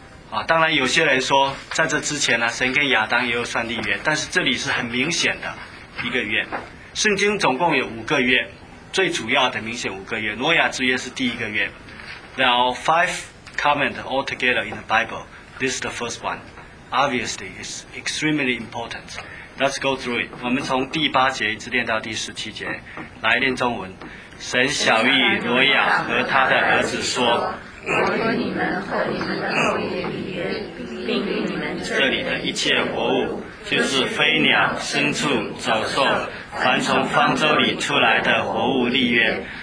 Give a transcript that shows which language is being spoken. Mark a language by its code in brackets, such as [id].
[zh] 啊，当然有些人说，在这之前呢，神跟亚当也有算立约，但是这里是很明显的一个约。圣经总共有五个约，最主要的明显五个约，挪亚之约是第一个约。 [en] There are five covenant altogether in the Bible. This is the first one. Obviously, it's extremely important. Let's go through it. [zh] 我们从第八节一直念到第十七节，来念中文。神晓谕挪亚和他的儿子说。我和你们和你们的后裔立约，并与你们这里的一切活物，就是飞鸟、牲畜、走兽，凡从方舟里出来的活物立约。